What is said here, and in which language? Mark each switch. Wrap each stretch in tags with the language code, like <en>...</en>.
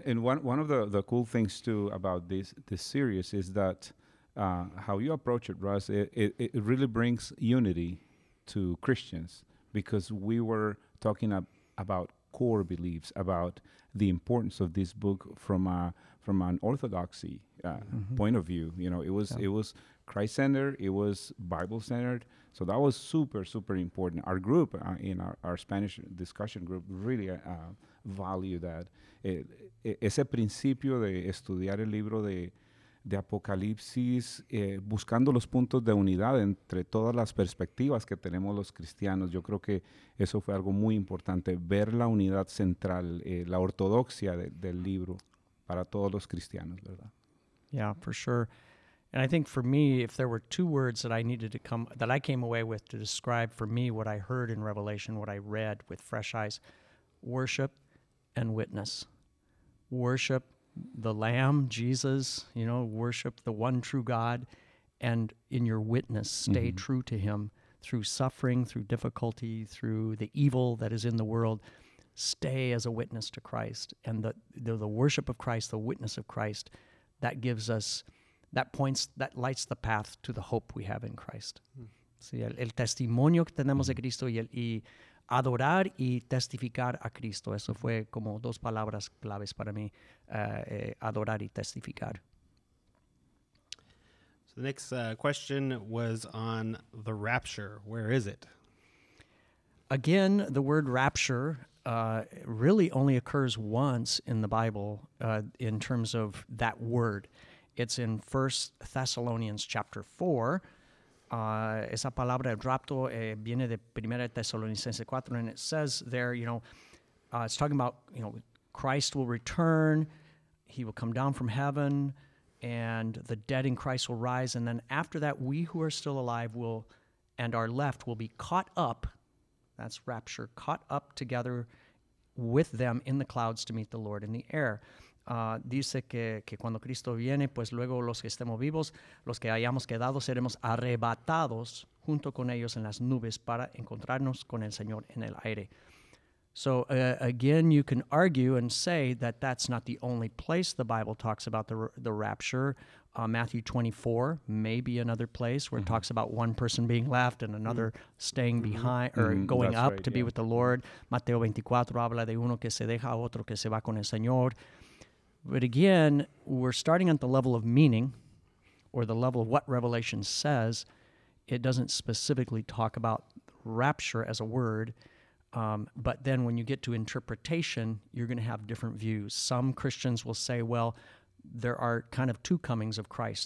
<en>And one of the cool things, too, about this series is that how you approach it, Russ, it really brings unity to Christians, because we were talking about core beliefs, about the importance of this book from an orthodoxy mm-hmm. point of view. It was Christ-centered, it was Bible-centered, so that was super, super important. Our group in our Spanish discussion group really value that.</en> <es>Ese principio de estudiar el libro de Apocalipsis, buscando los puntos de unidad entre todas las perspectivas que tenemos los cristianos. Yo creo que eso fue algo muy importante, ver la unidad central, la ortodoxia del libro para todos los cristianos, ¿verdad?</es> <en>Yeah, for sure. And I think for me, if there were two words that I needed to come, that I came away with to describe for me what I heard in Revelation, what I read with fresh eyes, worship and witness. Worship the Lamb, Jesus, worship the one true God, and in your witness, stay mm-hmm. true to him through suffering, through difficulty, through the evil that is in the world. Stay as a witness to Christ, and the worship of Christ, the witness of Christ, that gives us, that lights the path to the hope we have in Christ. Mm-hmm.</en> <es>Sí, el testimonio que tenemos mm-hmm. de Cristo y adorar y testificar a Cristo. Eso fue como dos palabras claves para mí, adorar y testificar.</es> <en>So the next question was on the rapture. Where is it? Again, the word rapture really only occurs once in the Bible in terms of that word. It's in 1 Thessalonians chapter 4.</en> <es>Esa palabra rapto viene de Primera Tesalonicense 4,</es> <en>and it says there, it's talking about, Christ will return, he will come down from heaven, and the dead in Christ will rise, and then after that, we who are still alive will, and are left, will be caught up, that's rapture, caught up together with them in the clouds to meet the Lord in the air.</en> <es>Dice que cuando Cristo viene, pues luego los que estemos vivos, los que hayamos quedado, seremos arrebatados junto con ellos en las nubes para encontrarnos con el Señor en el aire.</es> <en>So again, you can argue and say that that's not the only place the Bible talks about the rapture. Matthew 24, maybe another place where mm-hmm. it talks about one person being left and another mm-hmm. staying behind or mm-hmm. going that's up right, to yeah. be with the Lord.</en> <es>Mateo 24 habla de uno que se deja, otro que se va con el Señor.</es> <en>But again, we're starting at the level of meaning or the level of what Revelation says. It doesn't specifically talk about rapture as a word. But then when you get to interpretation, you're going to have different views. Some Christians will say, well, there are kind of two comings of Christ.</en>